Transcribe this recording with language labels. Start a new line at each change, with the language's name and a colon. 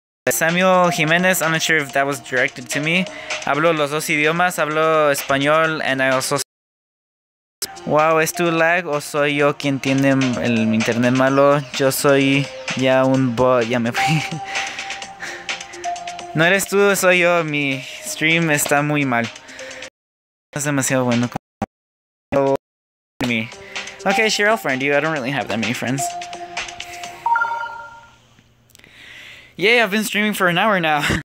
English: Samuel Jimenez, I'm not sure if that was directed to me.
Spanish: Hablo los dos idiomas, hablo español,
English: and I also...
Spanish: Wow, ¿es tu lag o soy yo quien tiene el internet malo? Yo soy ya un bot, ya me fui. No eres tú, soy yo, mi stream está muy mal. Es demasiado bueno.
English: Okay, Cheryl, friend you, I don't really have that many friends. Yay, I've been streaming for an hour now.